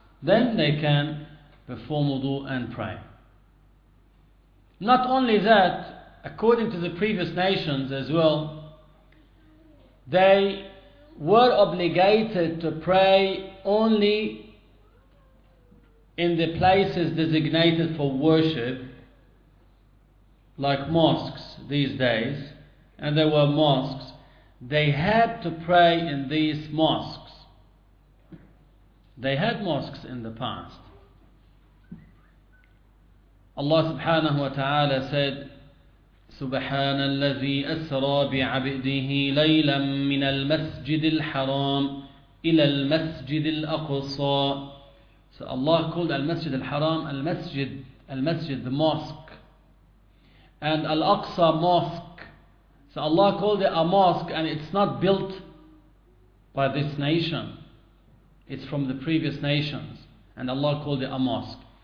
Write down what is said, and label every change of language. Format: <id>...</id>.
<en>Then they can perform wudu and pray. Not only that, according to the previous nations as well, they were obligated to pray only in the places designated for worship, like mosques these days, and there were mosques. They had to pray in these mosques. They had mosques in the past. Allah subhanahu wa ta'ala said,</en> <ar>سبحان الذي أسرى بعبده ليلا من المسجد الحرام إلى المسجد الأقصى.</ar> <en>So Allah called al-Masjid al-Haram, al-Masjid, the mosque. and Al-Aqsa Mosque. So Allah called it a mosque, and it's not built by this nation. It's from the previous nations, and Allah called it a mosque.</en>